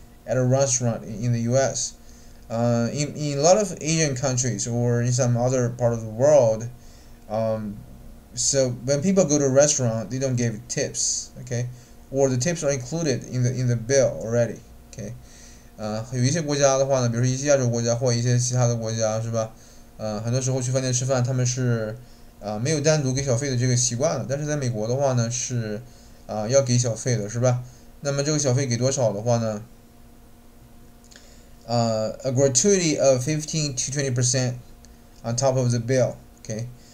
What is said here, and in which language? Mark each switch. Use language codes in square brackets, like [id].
[en] at a restaurant in the US. In a lot of Asian countries or in some other part of the world, so when people go to a restaurant, they don't give tips, okay? Or the tips are included in the bill already, okay? [zh] 有一些国家的话呢, 比如说一些亚洲国家, 或一些其他的国家, 是吧? 很多时候去饭店吃饭, 他们是, 没有单独给小费的这个习惯了, 但是在美国的话呢, 是, 要给小费的, 是吧? 那么这个小费给多少的话呢? [en] A gratuity of 15 to 20% on top of the bill, okay?